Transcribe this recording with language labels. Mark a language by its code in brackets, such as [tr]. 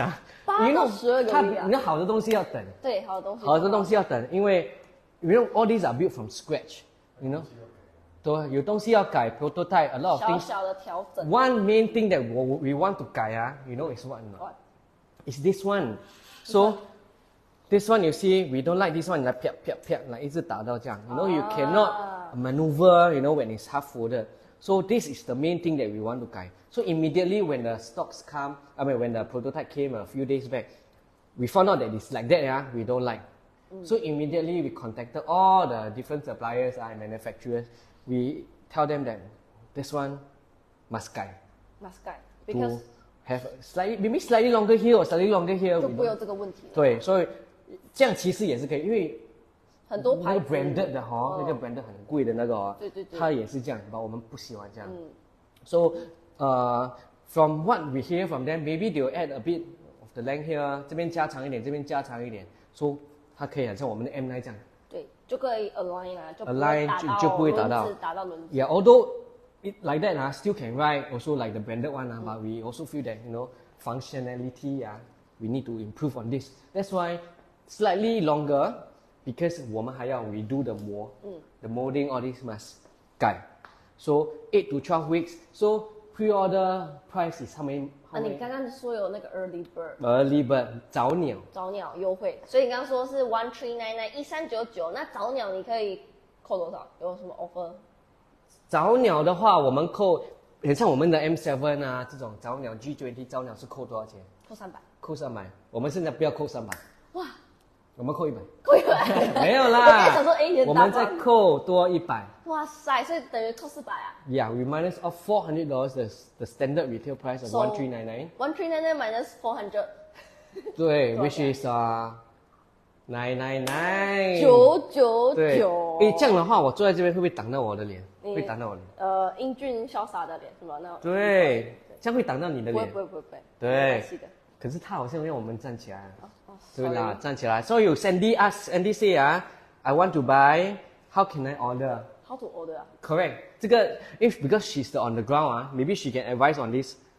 [zh] 啊。八到十二个月啊。你看，你看，好的东西要等。对，好的东西。好的东西要等，因为 [en] you know all these are built from scratch， you know， [zh] 对，有东西要改 [en] prototype， a lot of things， [zh] 小小的调整。 [en] One main thing that we want to 改 you know is what？ What？ Is this one？ So this one you see we don't like this one， [zh] 来啪啪啪，来一直打到这样， [en] you know you cannot maneuver， you know when it's half folded。 So this is the main thing that we want to guide. So immediately when the stocks come, I mean when the prototype came a few days back, we found out that it's like that, yeah, we don't like. Mm. So immediately we contacted all the different suppliers and manufacturers. We tell them that this one must guide. Must guide. Because to have slightly longer here or slightly longer here. [zh] 就不要这个问题了。对，所以这样其实也是可以，因为很多牌子，那个 branded 的哈，那个 branded 很贵的那个哦，对对对，它也是这样，但我们不喜欢这样。 [en] So, from what we hear from them, maybe they will add a bit of the length here, [zh] 这边加长一点。 So, 它可以很像我们的 M9 这样。对，就可以 align 啊，就不会打到轮子。 [en] Yeah, although it like that, still can ride, also like the branded one, but we also feel that, you know, functionality, we need to improve on this. That's why slightly longer, because [zh] 我们还要 [en] redo the mold, the molding, all this must 改。 So 8 to 12 weeks. So pre-order price is how many? [zh] 你刚刚说有那个 early bird. [en] Early bird, 早鸟. [zh] 早鸟优惠.所以你刚刚说是 1399, 那早鸟你可以扣多少？有什么 offer? 早鸟的话，我们扣，很像我们的 M7 啊，这种早鸟 G20 早鸟是扣多少钱？扣300. 扣300. 我们现在不要扣300. 哇。我们扣100，扣100，没有啦。我们再扣多100。哇塞，所以等于扣400啊 [en] ？Yeah, we minus off $400 the standard retail price of $1399 minus $400. [zh] 对 ，which is 999。对。诶，这样的话，我坐在这边会不会挡到我的脸？会挡到我脸。英俊潇洒的脸是吗？那对，这样会挡到你的脸。不会。对。可是他好像要我们站起来。 [en] Sorry. [zh] 对啦，站起来. [en] So you Sandy ask, Sandy say, I want to buy, how can I order? How to order? Correct. 这个, if because she's the on the ground, maybe she can advise on this.